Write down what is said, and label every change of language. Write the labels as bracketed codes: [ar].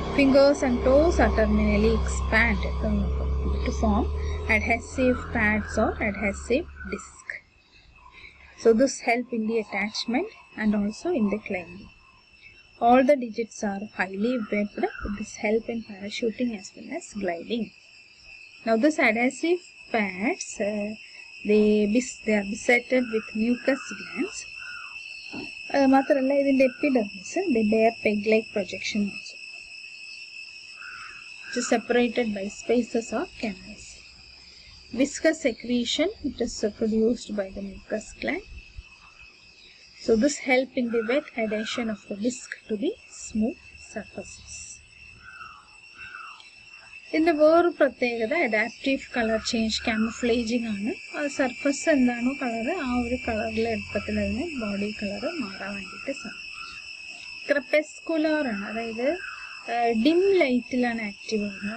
[en] Fingers and toes are terminally expand to form adhesive pads or adhesive disc. So this help in the attachment and also in the climbing. All the digits are highly webbed with this help in parachuting as well as gliding. Now this adhesive pads they are besetted with mucus glands. [ml] Mathramalla idinde [en] epidermis they bear peg like projection also. It is separated by spaces or canals. Viscous secretion, it is produced by the mucus gland. So this help in the wet adhesion of the disc to the smooth surfaces. [ml] ഇതിൻ്റെ വേറൊരു പ്രത്യേകത adaptive colour change ക്യാമഫ്ലേജിങ് ആണ്. അത് surface എന്താണോ colour ആ ഒരു കളറിൽ എളുപ്പത്തിൽ അതിന് ബോഡി കളറ് മാറാൻ വേണ്ടിയിട്ട് സാധിക്കും. ക്രെപ്പെസ്കുലാർ ആണ്, അതായത് ഡിം ലൈറ്റിലാണ് ആക്റ്റീവ് ആകുന്നത്.